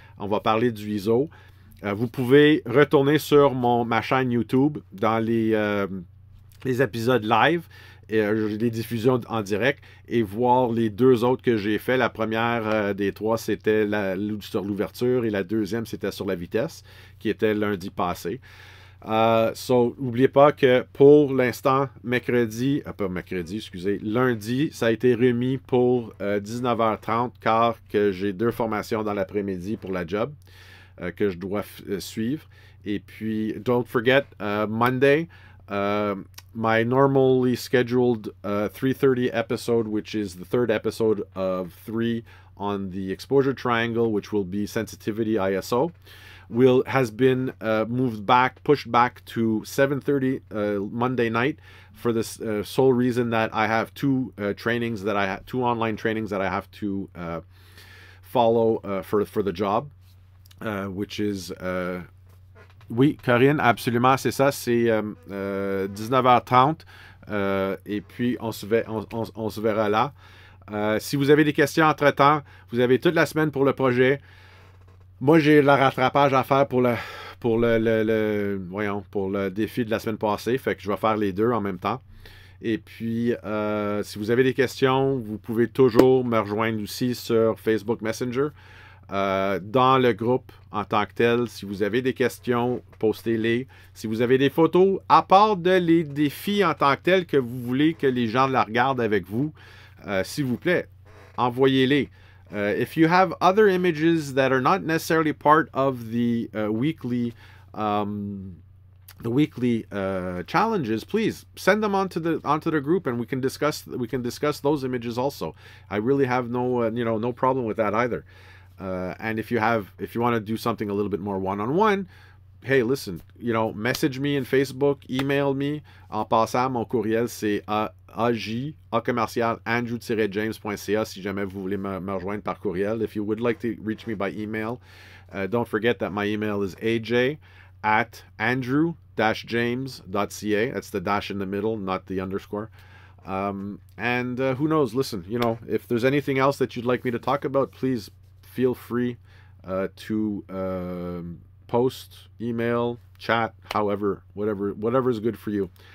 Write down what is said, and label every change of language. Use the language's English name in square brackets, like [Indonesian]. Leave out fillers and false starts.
[French] On va parler du ISO. Vous pouvez retourner sur ma chaîne YouTube dans les épisodes live, et les diffusions en direct, et voir les deux autres que j'ai fait. La première des trois, c'était sur l'ouverture, et la deuxième, c'était sur la vitesse, qui était lundi passé. So, n'oubliez pas que pour l'instant, lundi, ça a été remis pour 19h30, car que j'ai deux formations dans l'après-midi pour la job que je dois suivre. Et puis, [English] don't forget, Monday, my normally scheduled 3:30 episode, which is the third episode of three on the exposure triangle, which will be sensitivity ISO. has been pushed back to 7:30 Monday night for this sole reason that I have two online trainings that I have to follow for the job, which is [French] oui Karine, absolument, c'est ça, c'est 19h30, et puis on se verra là. Si vous avez des questions entre-temps, vous avez toute la semaine pour le projet. Moi, j'ai le rattrapage à faire pour le défi de la semaine passée. Fait que je vais faire les deux en même temps. Et puis, si vous avez des questions, vous pouvez toujours me rejoindre aussi sur Facebook Messenger. Dans le groupe en tant que tel, si vous avez des questions, postez-les. Si vous avez des photos, à part de les défis en tant que tel que vous voulez que les gens la regardent avec vous, s'il vous plaît, envoyez-les. [English] If you have other images that are not necessarily part of the weekly challenges, please send them onto the group, and we can discuss those images also. I really have no problem with that either. And if you want to do something a little bit more one-on-one, hey, listen, message me in Facebook, email me. [French] En passant, mon courriel, c'est AJ@andrew-james.ca si jamais vous voulez me rejoindre par courriel. [English] If you would like to reach me by email, don't forget that my email is AJ@andrew-james.ca. That's the dash in the middle, not the underscore. Who knows? Listen, if there's anything else that you'd like me to talk about, please feel free to post, email, chat, however, whatever is good for you.